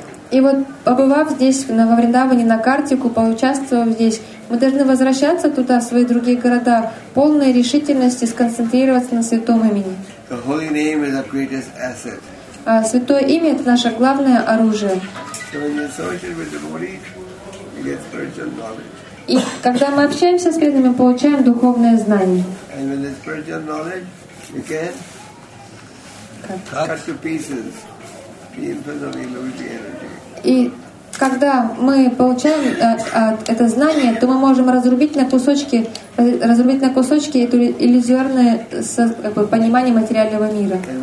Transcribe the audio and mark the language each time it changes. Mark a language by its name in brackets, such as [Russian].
[Russian] И вот, побывав здесь, во Вриндаване, на Картику, поучаствовав здесь, мы должны возвращаться туда, в свои другие города, полной решительности сконцентрироваться на святом имени. [English] The holy name is our greatest asset. [Russian] Святое имя — это наше главное оружие. [English] So when you associate with the body, you get spiritual knowledge. [Russian] И когда мы общаемся с преданными, мы получаем духовное знание. [English] And when there's spiritual knowledge, you can cut to pieces the infinite illusory energy. [Russian] И когда мы получаем это знание, то мы можем разрубить на кусочки это иллюзорное понимание материального мира.